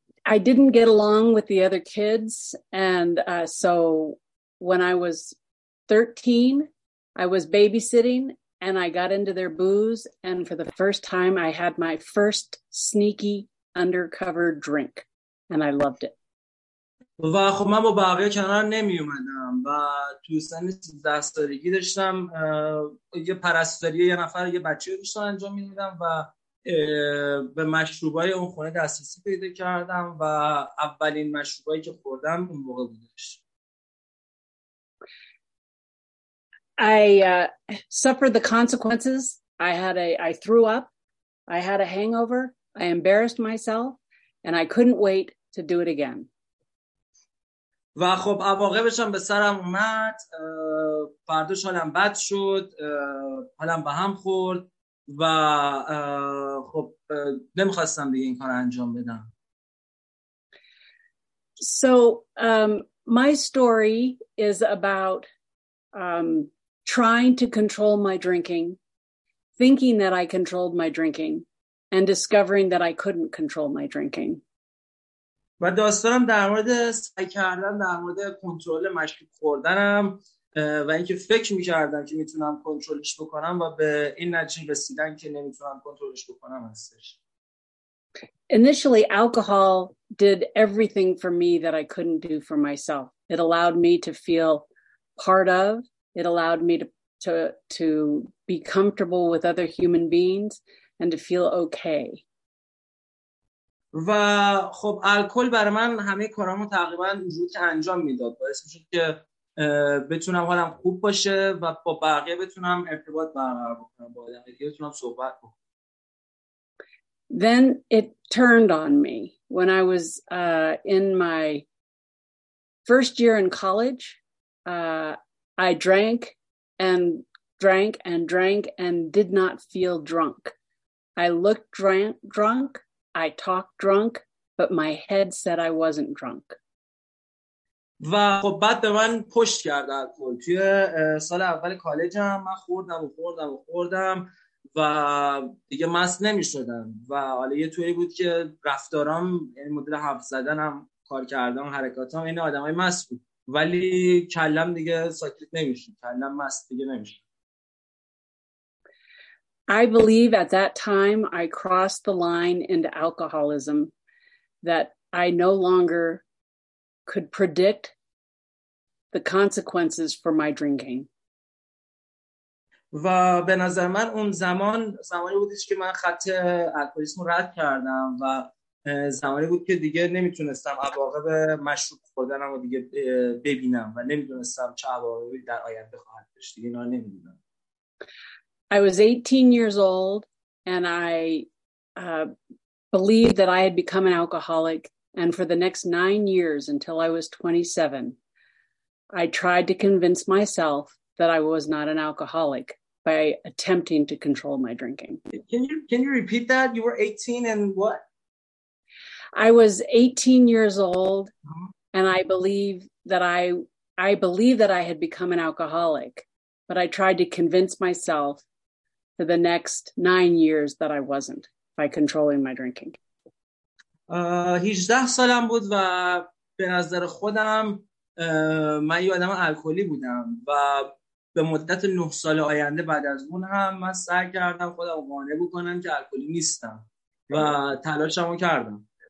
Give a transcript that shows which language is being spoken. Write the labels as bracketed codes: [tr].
[en] I didn't get along with the other kids, and so when I was 13, I was babysitting, and I got into their booze, and for the first time, I had my first sneaky undercover drink, and I loved it. [fa] و خب من با بقیه کنار نمی اومدم و تو سن 13 سالگی داشتم یه پرستاری یه نفر یه بچه رو داشتم انجام میدادم و به مشروبای اون خونه دسترسی پیدا کردم و اولین مشروبایی که خوردم اون موقع بودش. [en] I suffered the consequences. I threw up. I had a hangover. I embarrassed myself and I couldn't wait to do it again. [fa] و خب عواقبش هم به سرم اومد، فرداش حالم بد شد، حالم به هم خورد و خب نمیخواستم دیگه این کار انجام بدم. [en] So my story is about trying to control my drinking, thinking that I controlled my drinking and discovering that I couldn't control my drinking. [fa] و داستانم در مورد سعی کردن در مورد کنترل مشروب خوردنم و اینکه فکر می‌کردم که میتونم کنترلش بکنم و به این نتیجه رسیدن که نمیتونم کنترلش بکنم هستش. [en] Initially alcohol did everything for me that I couldn't do for myself. It allowed me to feel part of, it allowed me to be comfortable with other human beings and to feel okay. [fa] و خب الکل برای من همه کارامو تقریبا اونجوری که انجام میداد باعث میشد که بتونم حالم خوب باشه و با بقیه بتونم ارتباط برقرار بکنم با آدم دیگه بتونم صحبت کنم. [en] Then it turned on me when I was in my first year in college. I drank and drank and drank and did not feel drunk. I looked drunk. I talked drunk, but my head said I wasn't drunk. [fa] و خب بعد به من پشت کرد الکل توی سال اول کالجم. من خوردم و دیگه مست نمی‌شدم و حالا یه طوری بود که رفتارم، یعنی مدل حرف زدنم، کار کردم، حرکاتم این آدمای مست بود، ولی کلم دیگه ساکت نمی‌شد، کلم مست دیگه نمی‌شد. [en] I believe at that time I crossed the line into alcoholism that I no longer could predict the consequences for my drinking. [fa] و به نظر من اون زمان زمانی بودش که من خط الکلیسم رو رد کردم و زمانی بود که دیگه نمیتونستم عواقب مشروب خوردنم رو دیگه ببینم و نمیتونستم چه عواقبی در آینده خواهد داشت، دیگه اینا رو نمیدونم. [en] I was 18 years old and I believed that I had become an alcoholic, and for the next 9 years until I was 27 I tried to convince myself that I was not an alcoholic by attempting to control my drinking. Can you repeat that? You were 18 and what? I was 18 years old and I believed that I had become an alcoholic, but I tried to convince myself for the next 9 years that I wasn't by controlling my drinking. [fa] 18 سالم بود و به نظر خودم من یه آدم الکلی بودم و به مدت 9 سال آینده بعد از اون هم من سعی کردم خودم قانع بکنم که الکلی نیستم و تلاشمو کردم.